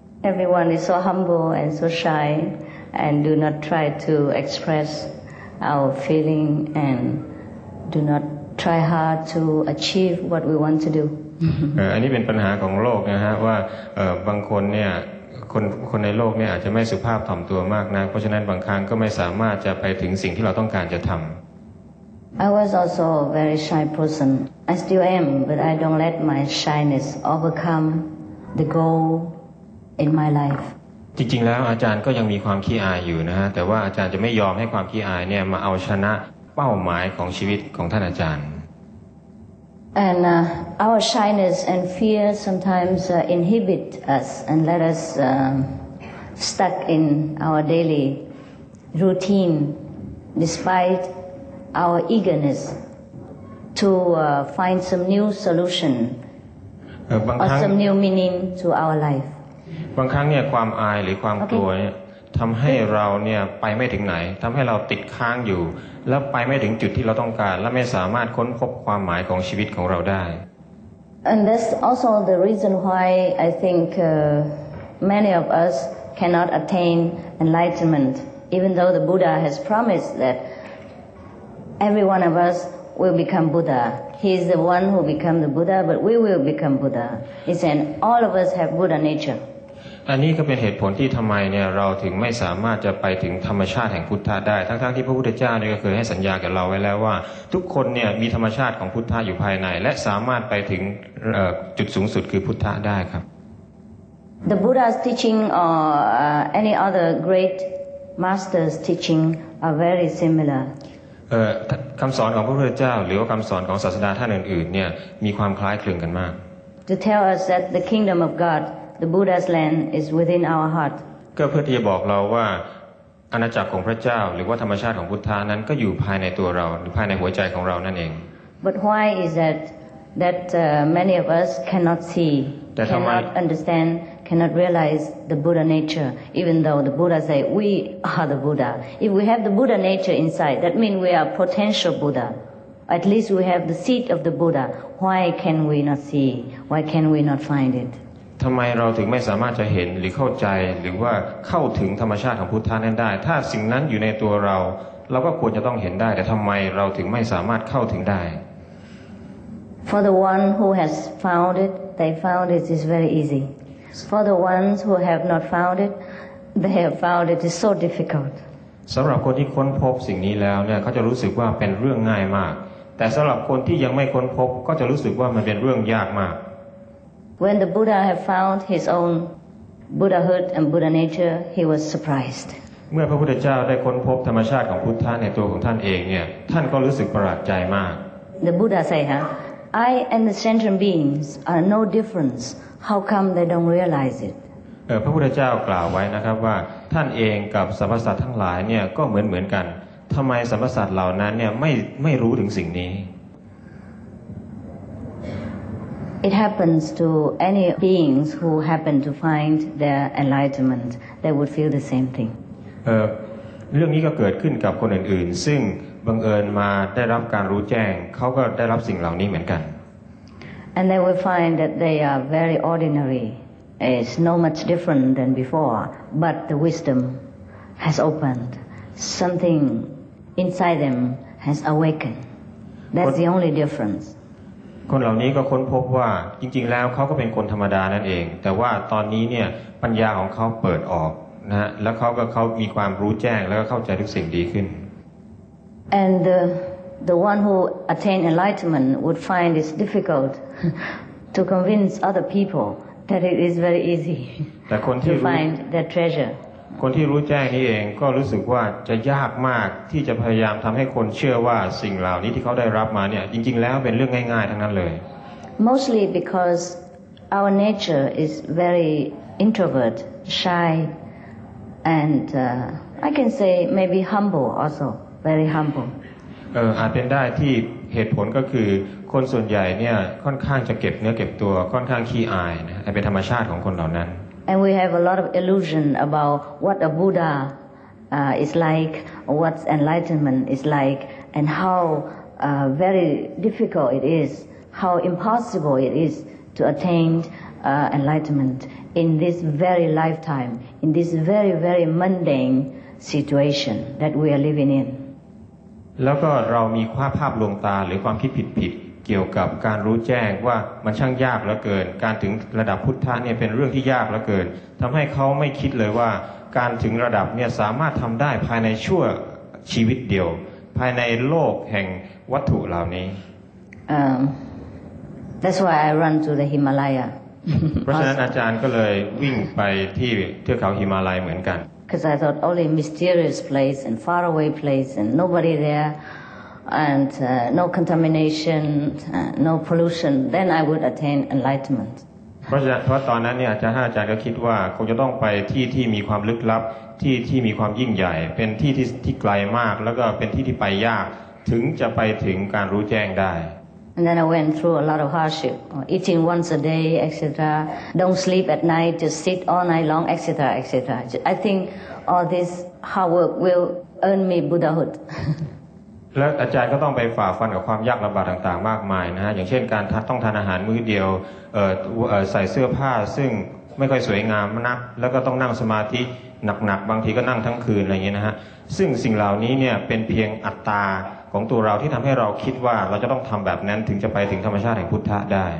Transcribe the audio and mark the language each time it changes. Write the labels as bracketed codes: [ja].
[en] Everyone is so humble and so shy and do not try to express our feeling andDo not try hard to achieve what we want to do. [th] อันนี้เป็นปัญหาของโลกนะฮะว่าบางคนเนี่ยคนในโลกเนี่ยอาจจะไม่สุภาพถ่อมตัวมากนะเพราะฉะนั้นบางครั้งก็ไม่สามารถจะไปถึงสิ่งที่เราต้องการจะทำ [en] I was also a very shy person. I still am, but I don't let my shyness overcome the goal in my life. [th] จริงๆแล้วอาจารย์ก็ยังมีความขี้อายอยู่นะฮะแต่ว่าอาจารย์จะไม่ยอมให้ความขี้อายเนี่ยมาเอาชนะเป้าหมายของชีวิตของท่านอาจารย์ [en] And our shyness and fear sometimes inhibit us and let us stuck in our daily routine despite our eagerness to find some new solution or some new meaning to our life [th] บางครั้งเนี่ยความอายหรือความกลัวเนี่ยทำให้เราเนี่ยไปไม่ถึงไหนทำให้เราติดค้างอยู่แล้วไปไม่ถึงจุดที่เราต้องการและไม่สามารถค้นพบความหมายของชีวิตของเราได้ [en] And that's also the reason why I think many of us cannot attain enlightenment even though the Buddha has promised that every one of us will become Buddha he is the one who become the Buddha but we will become Buddha he said all of us have Buddha nature [th] อันนี้ก็เป็นเหตุผลที่ทำไมเนี่ยเราถึงไม่สามารถจะไปถึงธรรมชาติแห่งพุทธะได้ทั้งๆที่พระพุทธเจ้าเนี่ยก็เคยให้สัญญากับเราไว้แล้วว่าทุกคนเนี่ยมีธรรมชาติของพุทธะอยู่ภายในและสามารถไปถึงจุดสูงสุดคือพุทธะได้ครับ [en] The Buddha's teaching or any other great master's teaching are very similar [th] คำสอนของพระพุทธเจ้าหรือว่าคำสอนของศาสดาท่านอื่นๆเนี่ยมีความคล้ายคลึงกันมาก [en] To tell us that the kingdom of GodThe Buddha's land is within our heart. [th] ก็เพื่อที่จะบอกเราว่าอาณาจักรของพระเจ้าหรือว่าธรรมชาติของพุทธานั้นก็อยู่ภายในตัวเราหรือภายในหัวใจของเรานั่นเอง [en] But why is that many of us cannot see, cannot understand, cannot realize the Buddha nature? Even though the Buddha say we are the Buddha, if we have the Buddha nature inside, that means we are potential Buddha. At least we have the seed of the Buddha. Why can we not see? Why can we not find it? [th] ทำไมเราถึงไม่สามารถจะเห็นหรือเข้าใจหรือว่าเข้าถึงธรรมชาติของพุทธะนั้นได้ถ้าสิ่งนั้นอยู่ในตัวเราเราก็ควรจะต้องเห็นได้แต่ทำไมเราถึงไม่สามารถเข้าถึงได้ [en] For the one who has found it, they found it is very easy. For the ones who have not found it, they have found it is so difficult. [th] สำหรับคนที่ค้นพบสิ่งนี้แล้วเนี่ยเขาจะรู้สึกว่าเป็นเรื่องง่ายมากแต่สำหรับคนที่ยังไม่ค้นพบก็จะรู้สึกว่ามันเป็นเรื่องยากมาก [en] When the Buddha had found his own Buddhahood and Buddha nature, he was surprised. [th] เมื่อพระพุทธเจ้าได้ค้นพบธรรมชาติของพุทธะในตัวของท่านเองเนี่ยท่านก็รู้สึกประหลาดใจมาก [en] The Buddha said, "Huh? I and the sentient beings are no difference. How come they don't realize it?" [th] พระพุทธเจ้ากล่าวไว้นะครับว่าท่านเองกับสรรพสัตว์ทั้งหลายเนี่ยก็เหมือนกันทำไมสรรพสัตว์เหล่านั้นเนี่ยไม่รู้ถึงสิ่งนี้ [en] It happens to any beings who happen to find their enlightenment. They would feel the same thing. [th] เรื่องนี้ก็เกิดขึ้นกับคนอื่นๆซึ่งบังเอิญมาได้รับการรู้แจ้งเขาก็ได้รับสิ่งเหล่านี้เหมือนกัน [en] And they will find that they are very ordinary. It's no much different than before. But the wisdom has opened. Something inside them has awakened. That's the only difference. [th] คนเหล่านี้ก็ค้นพบว่าจริงๆแล้วเขาก็เป็นคนธรรมดานั่นเองแต่ว่าตอนนี้เนี่ยปัญญาของเขาเปิดออกนะฮะแล้วเขามีความรู้แจ้งแล้วก็เข้าใจทุกสิ่งดีขึ้น [en] And the one who attained enlightenment would find it difficult to convince other people that it is very easy to find that treasure [th] คนที่รู้แจ้งนี้เองก็รู้สึกว่าจะยากมากที่จะพยายามทำให้คนเชื่อว่าสิ่งเหล่านี้ที่เขาได้รับมาเนี่ยจริงๆแล้วเป็นเรื่องง่ายๆทั้งนั้นเลย [en] mostly because our nature is very introvert shy and I can say maybe humble also very humble [th] อาจเป็นได้ที่เหตุผลก็คือคนส่วนใหญ่เนี่ยค่อนข้างจะเก็บเนื้อเก็บตัวค่อนข้างขี้อายนะเป็นธรรมชาติของคนเหล่านั้น [en] And we have a lot of illusion about what a Buddha is like, or what enlightenment is like, and how very difficult it is, how impossible it is to attain enlightenment in this very lifetime, in this very, very mundane situation that we are living in. [th] แล้วก็เรามีภาพลวงตาหรือความคิดผิดเกี่ยวกับการรู้แจ้งว่ามันช่างยากเหลือเกินการถึงระดับพุทธะเนี่ยเป็นเรื่องที่ยากเหลือเกินทำให้เขาไม่คิดเลยว่าการถึงระดับเนี่ยสามารถทำได้ภายในชั่วชีวิตเดียวภายในโลกแห่งวัตถุเหล่านี้ [en] That's why I run to the Himalaya [th] เพราะฉะนั้นอาจารย์ก็เลยวิ่งไปที่เทือกเขาหิมาลัยเหมือนกัน [en] Because I thought only mysterious place and far away place and nobody thereAnd no contamination, no pollution. Then I would attain enlightenment. [th] เพราะตอนนั้นเนี่ยอาจารย์ก็คิดว่าคงจะต้องไปที่มีความลึกลับที่มีความยิ่งใหญ่เป็นที่ไกลมากแล้วก็เป็นที่ที่ไปยากถึงจะไปถึงการรู้แจ้งได้ [en] And then I went through a lot of hardship, eating once a day, etc. Don't sleep at night, just sit all night long, etc., etc. I think all this hard work will earn me Buddhahood. [th] แล้วอาจารย์ก็ต้องไปฝ่าฟันกับความยากลำบากต่างๆมากมายนะฮะอย่างเช่นการต้องทานอาหารมื้อเดียวใส่เสื้อผ้าซึ่งไม่ค่อยสวยงามนักแล้วก็ต้องนั่งสมาธิหนักๆบางทีก็นั่งทั้งคืนอะไรอย่างเงี้ยนะฮะซึ่งสิ่งเหล่านี้เนี่ยเป็นเพียงอัตตาของตัวเราที่ทำให้เราคิดว่าเราจะต้องทำแบบนั้นถึงจะไปถึงธรรมชาติแห่งพุทธะได